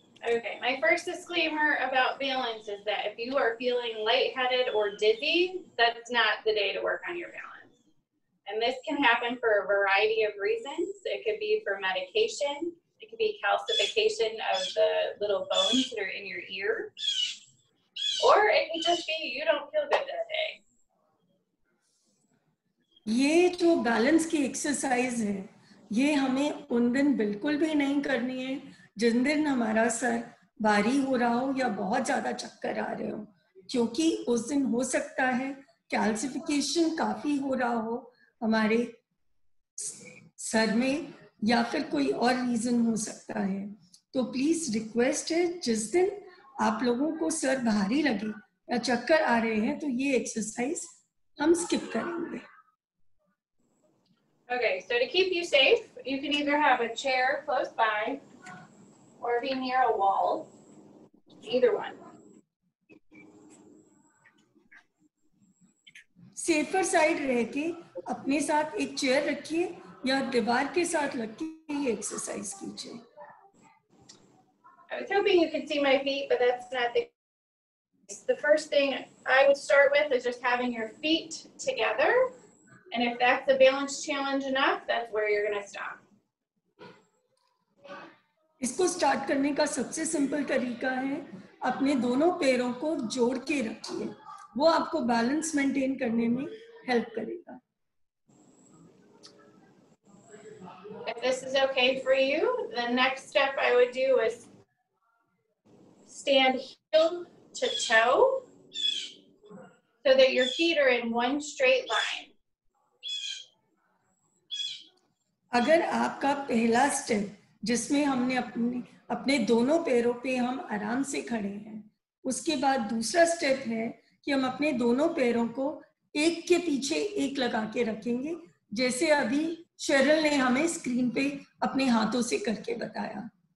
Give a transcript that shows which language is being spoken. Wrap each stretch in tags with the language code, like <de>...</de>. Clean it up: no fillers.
<en>Okay, my first disclaimer about balance is that if you are feeling lightheaded or dizzy, that's not the day to work on your balance. And this can happen for a variety of reasons. It could be for medication, it could be calcification of the little bones that are in your ear, or it could just be you don't feel good that day.</en> <hi>ये जो balance की exercise है ये हमें उन दिन बिल्कुल भी नहीं करनी है जिन दिन हमारा सर भारी हो रहा हो या बहुत ज्यादा चक्कर आ रहे हो, क्योंकि उस दिन हो सकता है कैल्सिफिकेशन काफी हो रहा हो हमारे सर में या फिर कोई और रीजन हो सकता है. तो प्लीज रिक्वेस्ट है जिस दिन आप लोगों को सर भारी लगे या चक्कर आ रहे हैं तो ये एक्सरसाइज हम स्किप करेंगे.</hi> <en>Okay, so to keep you safe, you can either have a chair close by or be near a wall. Either one.</en> <hi>Safer side रह के अपने साथ एक चेयर रखिए या दीवार के साथ लग के ये एक्सरसाइज कीजिए.</hi> <en>I was hoping you could see my feet, but that's not the case. The first thing I would start with is just having your feet together. And if that's a balance challenge enough, that's where you're going to stop.</en> <hi>इसको start करने का सबसे simple तरीका है अपने दोनों पैरों को जोड़ के रखिए. वो आपको बैलेंस मेंटेन करने में हेल्प करेगा.</hi> <en>If this is okay for you, the next step I would do is stand heel to toe so that your feet are in one straight line.</en> <hi>अगर आपका पहला स्टेप जिसमें हमने अपने अपने दोनों पैरों पे हम आराम से खड़े हैं, उसके बाद दूसरा स्टेप है कि हम अपने दोनों पैरों को एक के पीछे एक लगा के रखेंगे, जैसे अभी शेरल ने हमें स्क्रीन पे अपने हाथों से करके बताया.</hi>